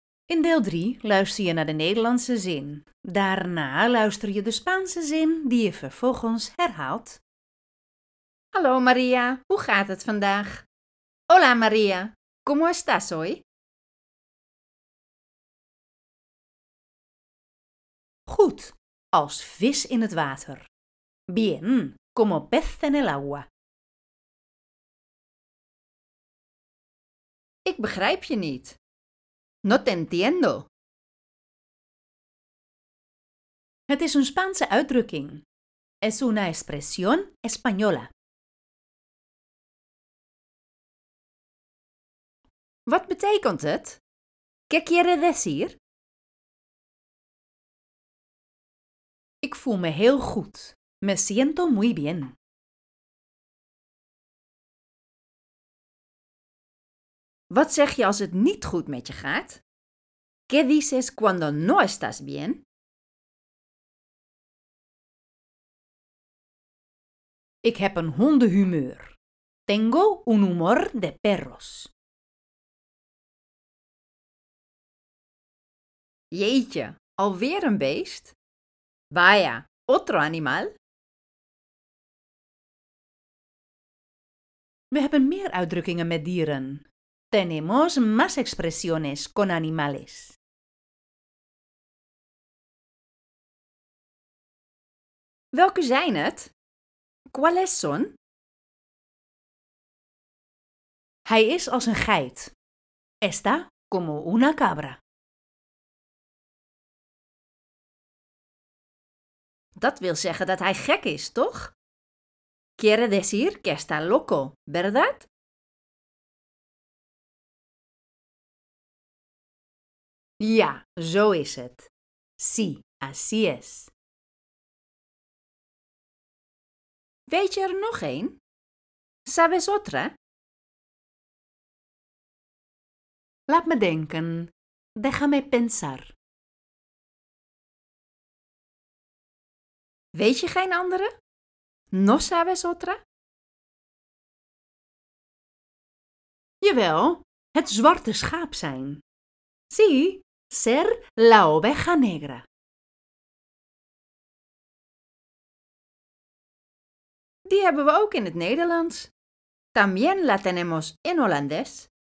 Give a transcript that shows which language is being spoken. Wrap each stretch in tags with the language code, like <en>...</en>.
<nl>In deel 3 luister je naar de Nederlandse zin. Daarna luister je de Spaanse zin die je vervolgens herhaalt. Hallo María, hoe gaat het vandaag?</nl> <es>Hola María, ¿cómo estás hoy?</es> <nl>Goed, als vis in het water.</nl> <es>Bien, como pez en el agua.</es> <nl>Ik begrijp je niet.</nl> <es>No te entiendo.</es> <nl>Het is een Spaanse uitdrukking.</nl> <es>Es una expresión española.</es> <nl>Wat betekent het?</nl> <es>¿Qué quiere decir?</es> <nl>Ik voel me heel goed.</nl> <es>Me siento muy bien.</es> <nl>Wat zeg je als het niet goed met je gaat?</nl> <es>¿Qué dices cuando no estás bien?</es> <nl>Ik heb een hondenhumeur.</nl> <es>Tengo un humor de perros.</es> <nl>Jeetje, alweer een beest?</nl> <es>Vaya, otro animal?</es> <nl>We hebben meer uitdrukkingen met dieren.</nl> <es>Tenemos más expresiones con animales.</es> <nl>Welke zijn het?</nl> <es>¿Cuáles son?</es> <nl>Hij is als een geit.</nl> <es>Está como una cabra.</es> <nl>Dat wil zeggen dat hij gek is, toch?</nl> <es>Quiere decir que está loco, ¿verdad?</es> <nl>Ja, zo is het.</nl> <es>Sí, así es.</es> <nl>Weet je er nog één?</nl> <es>¿Sabes otra?</es> <nl>Laat me denken.</nl> <es>Déjame pensar.</es> <nl>Weet je geen andere?</nl> <es>¿No sabes otra?</es> <nl>Jawel, het zwarte schaap zijn.</nl> <es>Sí, ser la oveja negra.</es> <nl>Die hebben we ook in het Nederlands.</nl> <es>También la tenemos en holandés.</es>